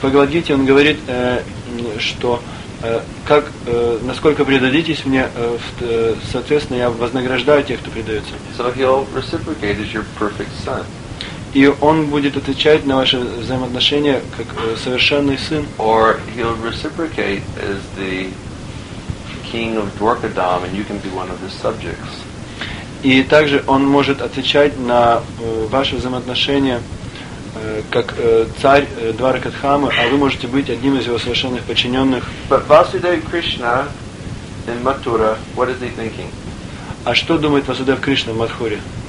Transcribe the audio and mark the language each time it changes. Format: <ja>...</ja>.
<ru>В Бхагавад-гите он говорит, что как, насколько предадитесь мне, соответственно, я вознаграждаю тех, кто предается.</ru> <en>So he'll reciprocate as your perfect son.</en> <ru>И он будет отвечать на ваши взаимоотношения как совершенный сын.</ru> <en>Or he'll reciprocate as the king of Dwarkadham, and you can be one of his subjects.</en> <ru>И также он может отвечать на ваши взаимоотношения как царь Дваракадхамы, а вы можете быть одним из его совершенных подчиненных.</ru> <en>But Vasudeva Krishna in Mathura, what is he thinking?</en> <ru>А что думает Васудев Кришна в Матхуре?</ru>